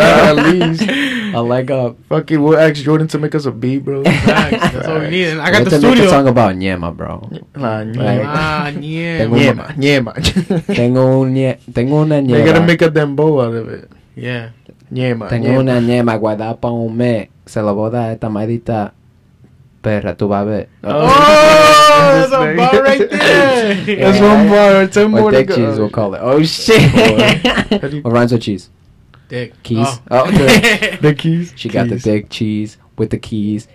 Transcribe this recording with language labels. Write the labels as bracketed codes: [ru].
[en] At least a leg up. Fuck it. We'll ask Jordan to make us a beat, bro. Facts. That's all we need. And I got the studio. Make a song about Nyema, bro. Nyema. [es] Tengo una Nyema. [en] They gotta make a dembow out of it. Yeah. [es] Ñema, tengo Ñema. Una ñema guardada pa' un mes. Se lo voy a dar a esta maldita perra, tú vas a ver. [en] Oh, that's a bar right there. That's one bar. It's one more. Or dick cheese, we'll call it. Oh, shit. Or rhymes with cheese. Dick. Keys. Oh, okay. The keys. She got keys. The dick cheese with the keys.